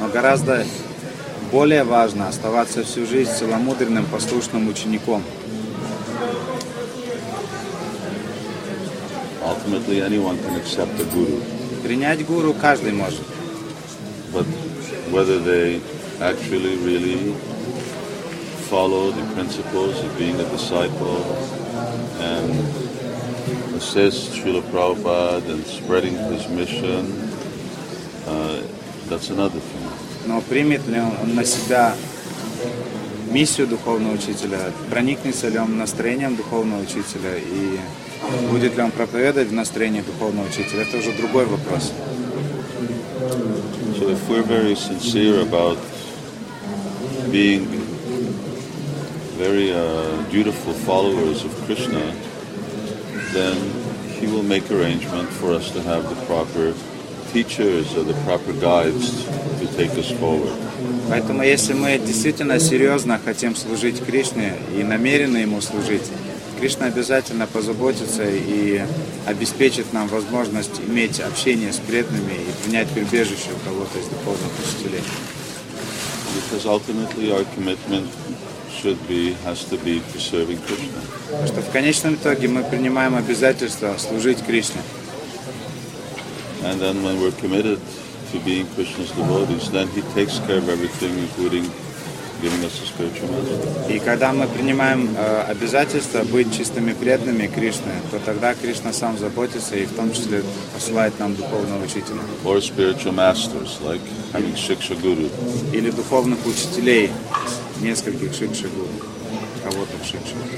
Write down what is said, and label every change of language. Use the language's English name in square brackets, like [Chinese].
[Russian] Но гораздо более важно оставаться всю жизнь целомудренным, послушным учеником. [English] Ultimately, anyone can accept a guru. [Russian] Принять гуру каждый может. [English] But whether they actually really follow the principles of being a disciple and assist Srila Prabhupada and spreading his mission, that's another thing. [Russian] Но примет ли он на себя миссию духовного учителя, проникнется ли он настроением духовного учителя и будет ли он проповедовать в настроении духовного учителя? Это уже другой вопрос. [English] So if we're very sincere about being very dutiful followers of Krishna, then he will make arrangement for us to have the proper teachers or the proper guides to take us forward. [Russian] Поэтому если мы действительно серьезно хотим служить Кришне и намерены ему служить, Кришна обязательно позаботится и обеспечит нам возможность иметь общение с преданными и принять прибежище у кого-то из духовных учителей. [English] Because ultimately our commitment should be, has to be to serving Krishna. [Russian] Потому что в конечном итоге мы принимаем обязательство служить Кришне. [English] And then when we're committed to being Krishna's devotees, then he takes care of everything, including giving us a spiritual master. [Russian] И когда мы принимаем обязательство быть чистыми преданными Кришне, то тогда Кришна сам заботится и в том числе посылает нам духовного учителя. [English] Or spiritual masters, like having Shiksha Guru. [Russian] Или духовных учителей, нескольких Шикша Гуру, кого-то в Шикша.